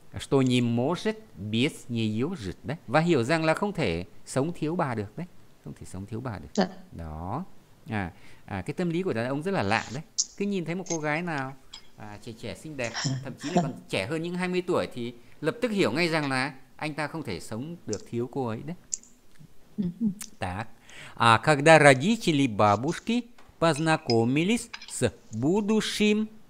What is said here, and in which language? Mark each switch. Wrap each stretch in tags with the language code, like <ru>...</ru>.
<ru>Что не может без нее жить, да?</ru> <vi>Và hiểu rằng là không thể sống thiếu bà được, đấy. Không thể sống thiếu bà được. Đó. Cái tâm lý của đàn ông rất là lạ đấy. Cứ nhìn thấy một cô gái nào trẻ trẻ xinh đẹp, thậm chí là còn trẻ hơn những 20 tuổi thì lập tức hiểu ngay rằng là anh ta không thể sống được thiếu cô ấy đấy.</vi> <ru>Так. А когда родители бабушки познакомились с будущим.</ru>